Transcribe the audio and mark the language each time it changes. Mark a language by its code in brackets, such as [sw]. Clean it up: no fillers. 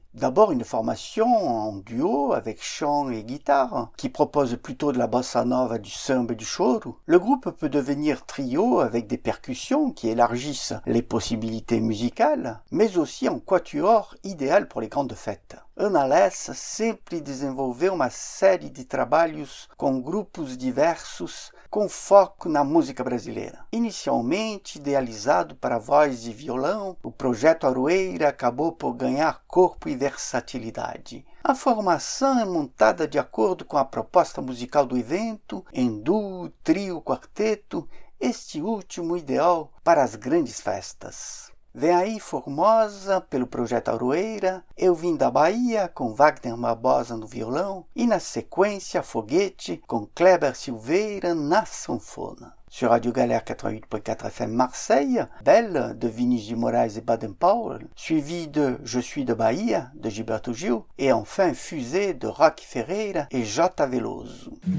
[fr] D'abord une formation en duo avec chant et guitare, qui propose plutôt de la bossa nova, du samba et du choro. Le groupe peut devenir trio avec des percussions qui élargissent les possibilités musicales, mais aussi en quatuor idéal pour les grandes fêtes. [pt] Ana Alès sempre desenvolveu uma série de trabalhos com grupos diversos com foco na música brasileira. Inicialmente idealizado para voz e violão, o projeto Aroeira acabou por ganhar corpo e versatilidade. A formação é montada de acordo com a proposta musical do evento, em duo, trio, quarteto, este último ideal para as grandes festas. Vem aí Formosa, pelo projeto Aroeira, Eu Vim da Bahia, com Wagner Barbosa no violão, e na sequência, Foguete, com Kleber Silveira na sanfona. [fr] Sur Radio Galère 88.4 FM Marseille, Belle, de Vinicius de Moraes et Baden Powell, suivi de Je suis de Bahia, de Gilberto Gil, et enfin Fusée, de Roque Ferreira et Jota Veloso.